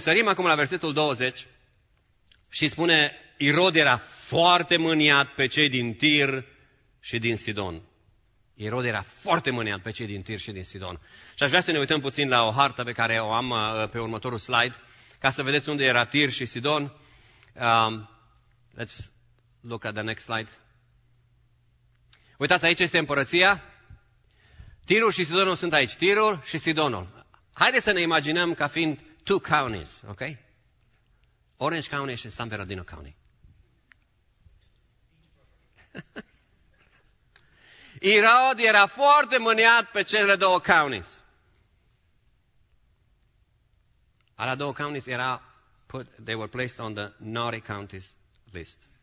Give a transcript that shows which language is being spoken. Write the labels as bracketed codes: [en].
[ro] Sărim acum la versetul 20 și spune, Irod era foarte mâniat pe cei din Tir și din Sidon. Irod era foarte mâniat pe cei din Tir și din Sidon. Și aș vrea să ne uităm puțin la o hartă pe care o am pe următorul slide, ca să vedeți unde era Tir și Sidon. [en] Let's look at the next slide. [ro] Uitați, aici este împărăția. Tirul și Sidonul sunt aici. Tirul și Sidonul. Haideți să ne imaginăm ca fiind [en] two counties, ok? [ro] Orange County și San Bernardino County. Irod era foarte mâniat pe cele două counties. Alea două counties era put, [en] they were placed on the naughty counties list.